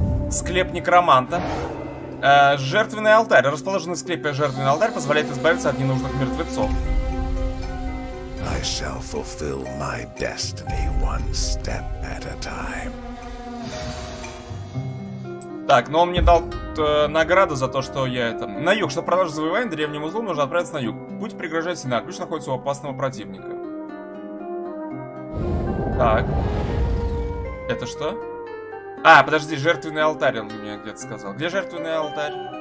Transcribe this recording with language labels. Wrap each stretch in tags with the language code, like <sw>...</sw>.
<ru>Склеп некроманта. Жертвенный алтарь. Расположенный в склепе жертвенный алтарь позволяет избавиться от ненужных мертвецов.</ru> <en>I shall fulfill my destiny one step at a time.</en> <ru>Так, ну он мне дал награду за то, что я это... На юг, чтобы продолжить завоевание, древнему злу нужно отправиться на юг. Путь преграждает сильно, ключ находится у опасного противника. Так. Это что? А, подожди, жертвенный алтарь он мне где-то сказал. Где жертвенный алтарь?</ru>